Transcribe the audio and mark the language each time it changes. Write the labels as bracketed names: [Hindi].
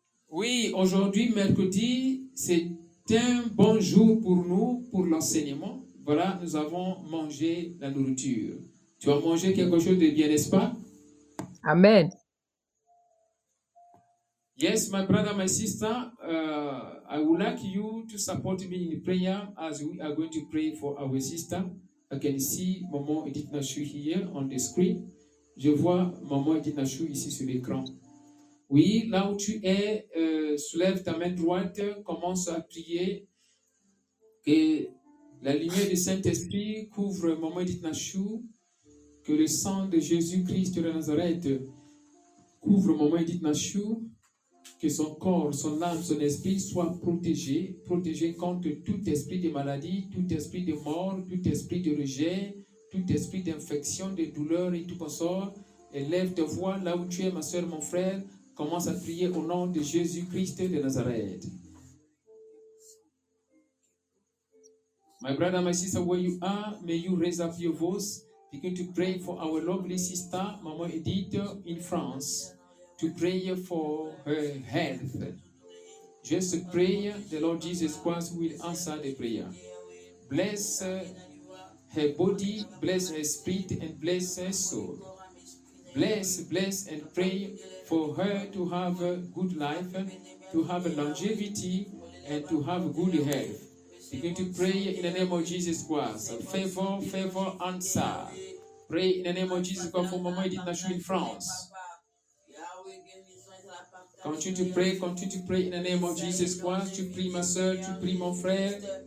[French] Oui, aujourd'hui, mercredi, c'est un bon jour pour nous, pour l'enseignement. Voilà, nous avons mangé la nourriture. Tu as mangé quelque chose de bien, n'est-ce pas? Amen. [English] Yes, my brother, my sister, I would like you to support me in prayer as we are going to pray for our sister. I can see Maman Edith Nashu here on the screen. [French] Je vois Maman Edith Nashu ici sur l'écran. Oui, là où tu es, soulève ta main droite, commence à prier que la lumière du Saint-Esprit couvre Maman Edith Nashu, que le sang de Jésus-Christ de Nazareth couvre Maman Edith Nashu, que son corps, son âme, son esprit soient protégés contre tout esprit de maladie, tout esprit de mort, tout esprit de rejet, tout esprit d'infection, de douleur et tout consort. Élève ta voix là où tu es, ma soeur, mon frère. Commence à prier au nom de Jésus-Christ de Nazareth. [English] My brother, my sister, where you are, may you raise up your voice. Begin to pray for our lovely sister, Maman Edith, in France. To pray for her health. Just pray, the Lord Jesus Christ will answer the prayer. Bless her body, bless her spirit, and bless her soul. Bless and pray for her to have a good life, to have a longevity, and to have good health. Begin to pray in the name of Jesus Christ. Favor, answer. Pray in the name of Jesus Christ for Maman Edith Nashu in France. Continue to pray in the name of Jesus Christ. [French] Tu pries ma soeur, tu pries mon frère.